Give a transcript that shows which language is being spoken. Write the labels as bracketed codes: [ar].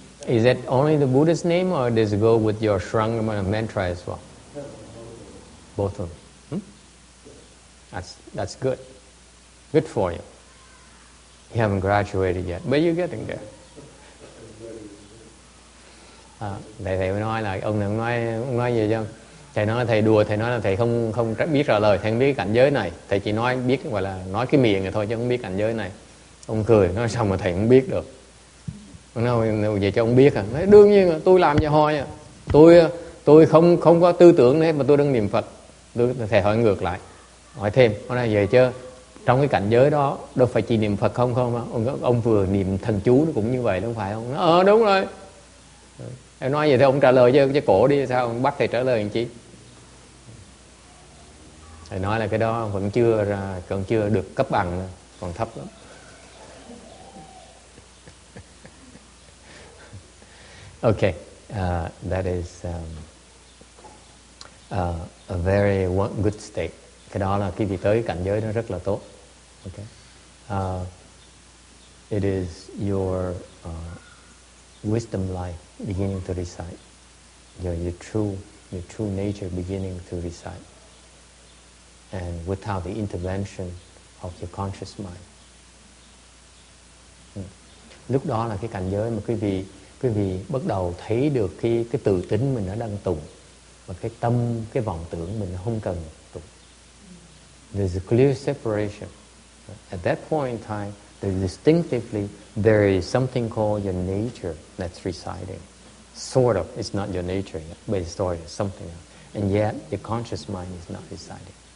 [en] Is that only the Buddha's name, or does it go with your Sharangama mantra as well? Both of them. That's good. Good for you. You haven't graduated yet, but you're getting there. [vi] Thầy mới nói là ông đừng nói gì cho thầy nói thầy đùa thầy nói là thầy không biết trả lời thầy không biết cảnh giới này thầy chỉ nói biết gọi là nói cái miệng thôi chứ không biết cảnh giới này ông cười nói sao mà thầy không biết được nói vậy cho ông biết à nói, đương nhiên tôi làm cho hoi à tôi không có tư tưởng đấy mà tôi đang niệm Phật thầy hỏi ngược lại hỏi thêm hôm nay vậy chứ trong cái cảnh giới đó đâu phải chỉ niệm Phật không ông vừa niệm thần chú nó cũng như vậy đúng phải không đúng rồi. Em nói vậy thì ông trả lời cho cổ đi sao ông bắt thầy trả lời làm chi? Thầy nói là cái đó còn chưa được cấp bằng còn thấp lắm. [en] Okay, that is a very good state. [vi] Cái đó là khi đi tới cảnh giới nó rất là tốt. [en] Okay, it is your wisdom life beginning to recite. Your true nature beginning to recite. And without the intervention of your conscious mind. [vi] Lúc đó là cái cảnh giới mà quý vị bắt đầu thấy được cái tự tính mình đã đang tụng. Và cái tâm, cái vọng tưởng mình không cần tụng. [en] There's a clear separation. At that point in time, distinctively, there is something called your nature that's reciting. Sort of, it's not your nature, but it's sort of something else. And yet, your conscious mind is not reciting.